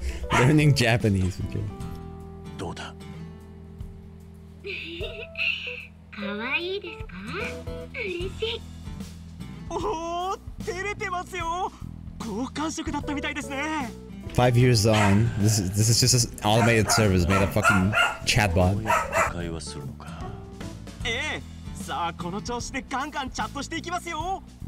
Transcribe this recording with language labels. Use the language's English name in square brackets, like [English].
[English] Learning Japanese. Okay. [Japanese] どうだ。かわいいですか？嬉しい。おお、照れてますよ。好感触だったみたいですね。 [English] 5 years on. This is just an automated service made of fucking chatbot. [Japanese] どうやって会話するのか。ええ、さあこの調子でガンガンチャットしていきますよ。